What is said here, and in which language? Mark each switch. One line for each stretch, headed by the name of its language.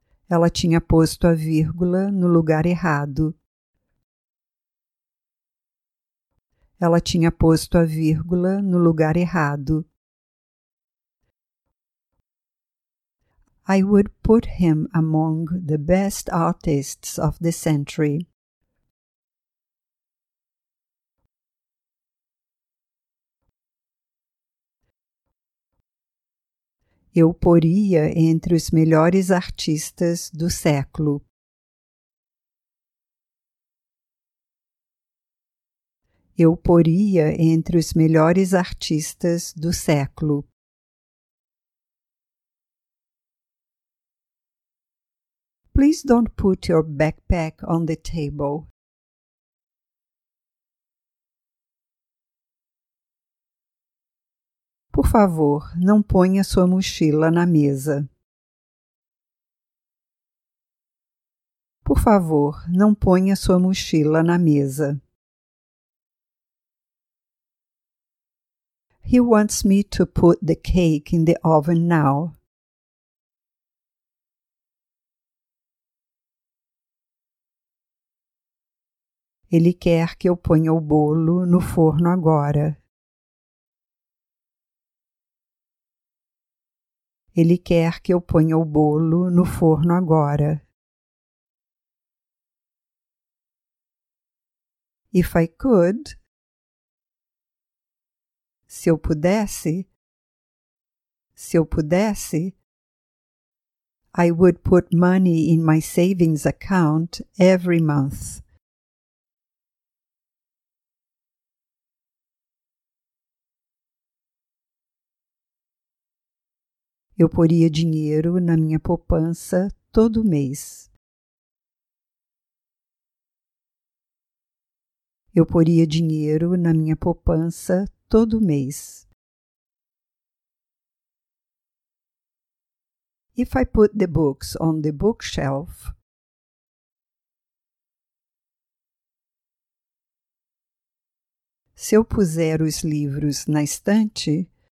Portuguese: Ela tinha posto a vírgula no lugar errado. Ela tinha posto a vírgula no lugar errado.
English: I would put him among the best artists of the century.
Portuguese: Eu poria entre os melhores artistas do século. Eu poria entre os melhores artistas do século.
English: Please don't put your backpack on the table.
Portuguese: Por favor, não ponha sua mochila na mesa. Por favor, não ponha sua mochila na mesa.
English: He wants me to put the cake in the oven now.
Portuguese: Ele quer que eu ponha o bolo no forno agora. Ele quer que eu ponha o bolo no forno agora.
English: If I could,
Portuguese: se eu pudesse, se eu pudesse,
English: I would put money in my savings account every month.
Portuguese: Eu poria dinheiro na minha poupança todo mês. Eu poria dinheiro na minha poupança todo mês.
English: If I put the books on the bookshelf.
Portuguese: Se eu puser os livros na estante.